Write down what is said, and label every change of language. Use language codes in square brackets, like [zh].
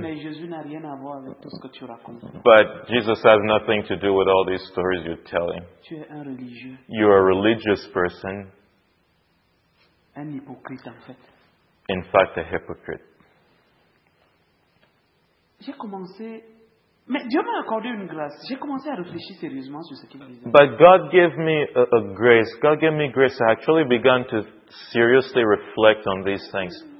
[fr] Mais Jésus n'a rien à voir avec tout ce que tu racontes. [en] But Jesus has nothing to do with all these stories you're telling. [fr] Tu es un religieux. [en] You're a religious person. [fr] Un hypocrite, en fait. [en] In fact, a hypocrite. [fr] J'ai commencé. Mais Dieu m'a accordé une grâce. J'ai commencé à réfléchir sérieusement sur ce qu'il disait. [en] But God gave me a grace. God gave me grace. I actually began to seriously reflect on these things.